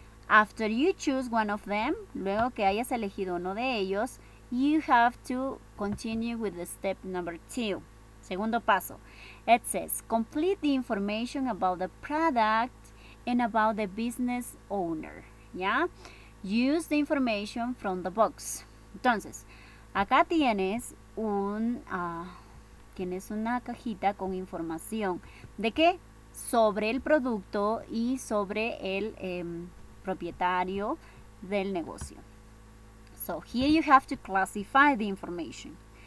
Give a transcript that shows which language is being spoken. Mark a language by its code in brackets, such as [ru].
[en] After you choose one of them, [es] luego que hayas elegido uno de ellos, [en] you have to continue with the step number two. [es] Segundo paso. [en] It says, complete the information about the product and about the business owner. Yeah? Use the information from the box. [es] Entonces, acá tienes tienes una cajita con información. ¿De qué? Sobre el producto y sobre el propietario del negocio. [en] So, here you have to classify the information.